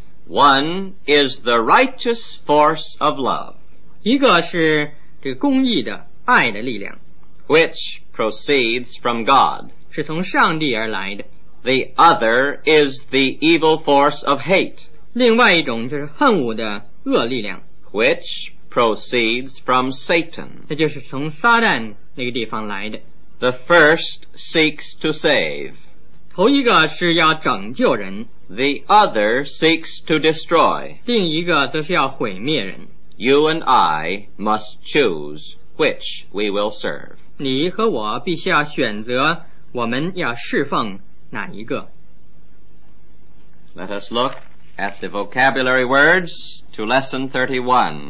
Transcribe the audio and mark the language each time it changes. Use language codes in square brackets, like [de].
[en] One is the righteous force of love. [zh] 一个是这公义的爱的力量， [en] which proceeds from God， [zh] 是从上帝而来的。 [en] The other is the evil force of hate， [zh] 另外一种就是恨恶的恶力量， [en] which proceeds from Satan， [zh] 那就是从撒旦那个地方来的。 [en] The first seeks to save， [zh] 头一个是要拯救人， [en] The other seeks to destroy， [zh] 另一个则是要毁灭人。 [en] You and I must choose which we will serve. [zh] 你和我必须要选择我们要侍奉哪一个。 [en] Let us look at the vocabulary words to lesson 31.